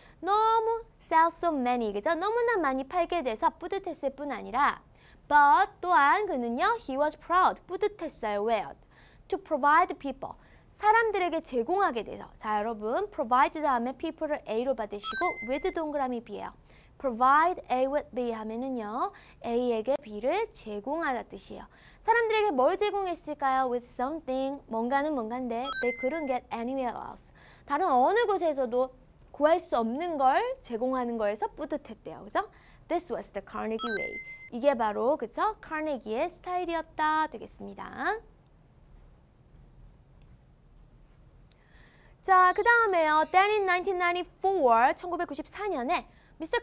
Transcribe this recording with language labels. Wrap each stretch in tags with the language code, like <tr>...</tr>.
<ko>너무</ko> <en>sell so many,</en> <ko>그죠? 너무나 많이 팔게 돼서 뿌듯했을 뿐 아니라 but 또한 그는요,</ko> <en>he was proud,</en> <ko>뿌듯했어요. 왜요?</ko> <en>To provide people,</en> <ko>사람들에게 제공하게 돼서 자, 여러분, provide 다음에 people을 A로 받으시고 with 동그라미 B예요.</ko> <en>provide A with B</en> <ko>하면은요, A에게 B를 제공하다 뜻이에요. 사람들에게 뭘 제공했을까요?</ko> <en>with something,</en> <ko>뭔가는 뭔가인데</ko> <en>they couldn't get anywhere else.</en> <ko>다른 어느 곳에서도 구할 수 없는 걸 제공하는 거에서 뿌듯했대요.</ko> <en>그죠? This was the Carnegie way.</en> <ko>이게 바로 그죠? 카네기의 스타일이었다 되겠습니다. 자, 그다음에요.</ko> <en>Then in 1994,</en> <ko>1994년에 Mr.</ko>